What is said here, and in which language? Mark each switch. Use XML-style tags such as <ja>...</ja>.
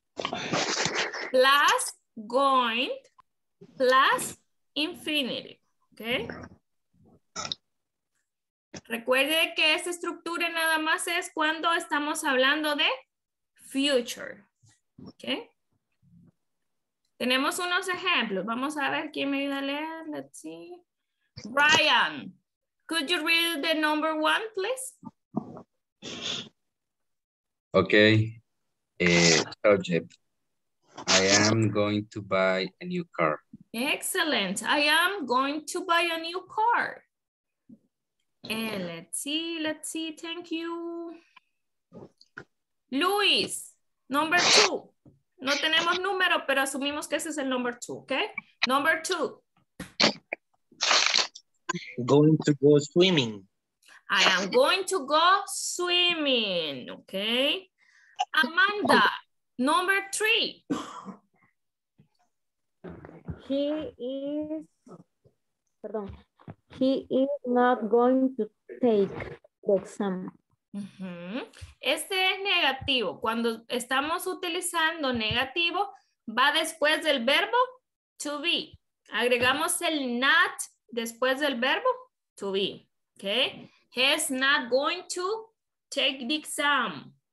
<en>Plus going plus infinity, okay?</en> <es>Recuerde que esta estructura nada más es cuando estamos hablando de future, okay? Tenemos unos ejemplos. Vamos a ver quién me ayuda a leer.</es> <en>Let's see. Brian, could you read the number one, please? Okay. Subject. I am going to buy a new car. Excellent. I am going to buy a new car. And let's see. Thank you. Luis, number two.</en> <es>No tenemos número, pero asumimos que ese es el</es> <en>number two,</en> <es>okay?</es> <en>Number two. Going to go swimming. I am going to go swimming, okay? Amanda, number three. He is not going to take the exam.</en> <es>Mm-hmm. Este es negativo. Cuando estamos utilizando negativo, va después del verbo to be. Agregamos el not después del verbo to be. Okay.</es> <en>He is not going to take the exam.</en>